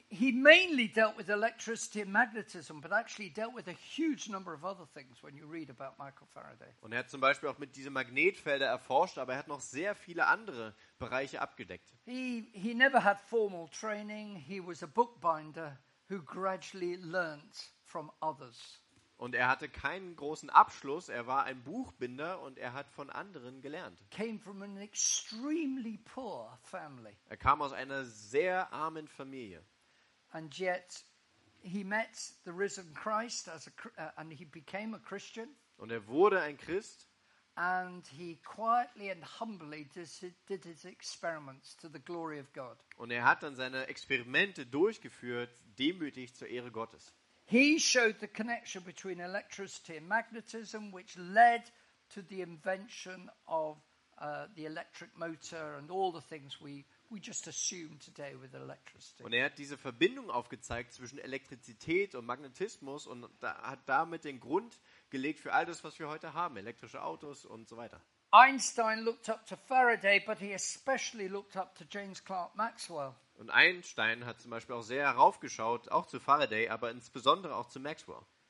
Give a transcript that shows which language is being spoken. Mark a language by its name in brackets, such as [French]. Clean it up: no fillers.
[English] He mainly dealt with electricity and magnetism, but actually dealt with a huge number of other things when you read about Michael Faraday. [German] Und er hat zum Beispiel auch mit diesen Magnetfeldern erforscht, aber er hat noch sehr viele andere Bereiche abgedeckt. [English] He never had formal training. He was a bookbinder who gradually learned from others. [German] Und er hatte keinen großen Abschluss, er war ein Buchbinder und er hat von anderen gelernt. [English] Came from an extremely poor family. [German] Er kam aus einer sehr armen Familie. [English] And yet he met the risen Christ as a and he became a Christian. [German] Und er wurde ein Christ. [English] And he quietly and humbly did his experiments to the glory of God. [German] Und er hat dann seine Experimente durchgeführt, demütig zur Ehre Gottes. [English] He showed the connection between electricity and magnetism, which led to the invention of the electric motor and all the things we just assume today with electricity. [German] Und er hat diese Verbindung aufgezeigt zwischen Elektrizität und Magnetismus und hat damit den Grund gelegt für all das, was wir heute haben, elektrische Autos und so weiter. [English] Einstein looked up to Faraday, but he especially looked up to James Clerk Maxwell. [German] Und Einstein hat zum Beispiel auch sehr heraufgeschaut, auch zu Faraday, aber insbesondere auch zu Maxwell.